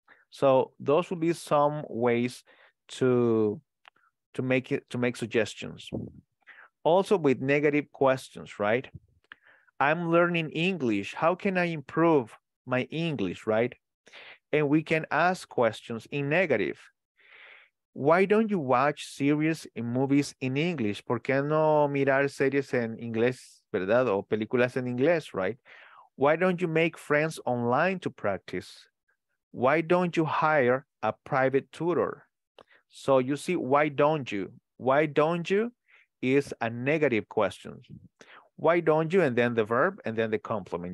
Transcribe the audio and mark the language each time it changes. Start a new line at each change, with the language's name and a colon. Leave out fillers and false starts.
English: So those would be some ways to make suggestions. Also with negative questions, right? I'm learning English. How can I improve my English, right? And we can ask questions in negative. Why don't you watch series and movies in English?
Spanish: ¿Por qué no mirar series en inglés, verdad? O películas en inglés, right?
English: Why don't you make friends online to practice? Why don't you hire a private tutor? So you see, why don't you? Why don't you is a negative question. Why don't you? And then the verb and then the complement.